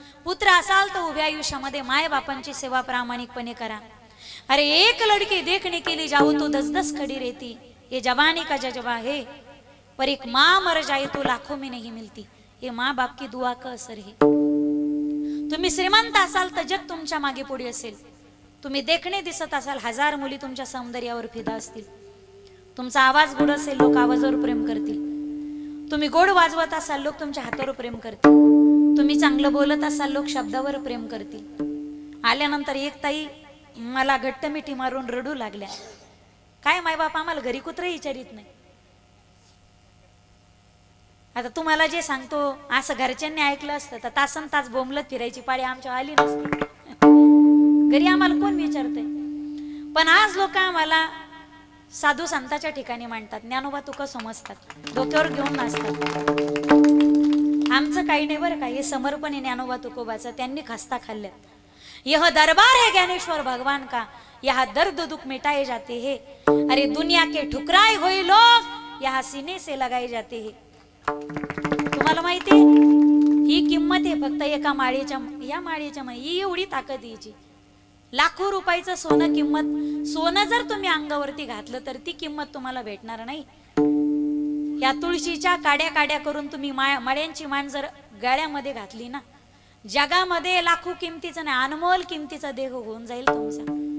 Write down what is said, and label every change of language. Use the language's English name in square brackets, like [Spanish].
[Marathi] पुत्र असाल तर उभ्या आयुष्यामध्ये माय बापांची सेवा प्रामाणिकपणे करा. [Hindi] अरे एक लड़की देखने के लिए जाऊ तो दस दस खड़ी रहती. ये जवानी का जज्बा है पर एक माँ मर जाए तो लाखों में नहीं मिलती. ये माँ बाप की दुआ का असर है. [Marathi] तुम्ही श्रीमंत असाल तर जग तुमच्या मागे पुढे असेल. तुम्ही देखणे दिसत असाल हजार मुली तुमच्या सौंदर्यावर फिदा असतील. तुमचा आवाज गोड असेल लोक आवाजावर प्रेम करतील. तुम्ही गोड वाजवत असाल लोक तुमच्या हातावर प्रेम करतील. तुम्ही चांगलं बोलत असाल लोक शब्दावर प्रेम करतील. आल्यानंतर एक ताई मला घट्ट मिठी मारून रडू लागल्या. काय माय बाप आम्हाला घरी कुत्र विचारित नाही. आता तुम्हाला जे सांगतो असं घरच्यांनी ऐकलं असतं तर तासन तास बोंबलत फिरायची पाळी आमच्या आली नसते. घरी आम्हाला कोण विचारतंय. पण आज लोक आम्हाला साधू संतांच्या ठिकाणी मांडतात, ज्ञानोबा तुका समजतात, डोक्यावर घेऊन नाचतात. आमचं काही नाही बरं का. हे समर्पण आहे ज्ञानोबा तुकोबाचं. त्यांनी खस्ता खाल्ल्यात. [Hindi] यह दरबार है ज्ञानेश्वर भगवान का, यह दर्द दुख मिटाए जाते है. अरे दुनिया के ठुकराए हुए लोग यह सीने से लगाए जाते है. [Marathi] तुम्हाला माहिती ही किंमत है फक्त एका माळीच्या. या माळीच्या मध्ये एवढी ताकद यायची. लाखो रुपयाचं सोनं किंमत. सोनं जर तुम्ही अंगावरती घातलं तर ती किंमत तुम्हाला भेटणार नाही. या तुळशीच्या काड्या काड्या करून तुम्ही माळ्यांची मान जर गळ्यामध्ये घातली ना, जगामध्ये लाखो किमतीचा नाही अनमोल किमतीचा देह होऊन जाईल तुमचा.